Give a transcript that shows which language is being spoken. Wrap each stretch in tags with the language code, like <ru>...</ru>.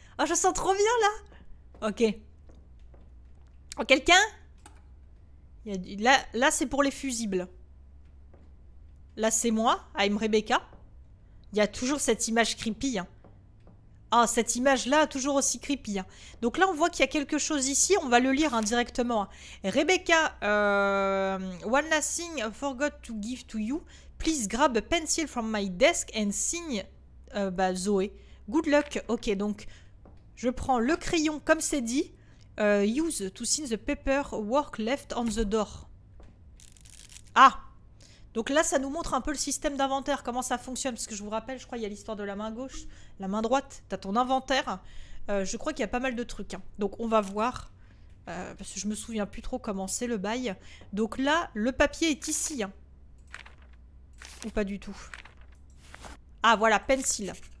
<fr>Oh, je sens trop bien là. Ok. Oh, quelqu'un il y a du... Là, c'est pour les fusibles. Là, c'est moi,</fr> <en>I'm Rebecca.</en> <fr>Il y a toujours cette image creepy. Hein. Ah, cette image-là, toujours aussi creepy. Hein. Donc là, on voit qu'il y a quelque chose ici. On va le lire hein, directement.</fr> <en>Rebecca, one last thing I forgot to give to you. Please grab a pencil from my desk and sign bah, Zoé. Good luck.</en> <fr>Ok, donc je prends le crayon comme c'est dit.</fr> <en>Use to sign the paper work left on the door. Ah!</en> <fr>Donc là, ça nous montre un peu le système d'inventaire, comment ça fonctionne. Parce que je vous rappelle, je crois qu'il y a l'histoire de la main gauche, la main droite. T'as ton inventaire. Je crois qu'il y a pas mal de trucs. Hein. Donc on va voir. Parce que je me souviens plus trop comment c'est le bail. Donc là, le papier est ici. Hein. Ou pas du tout. Ah voilà, pencil.</fr>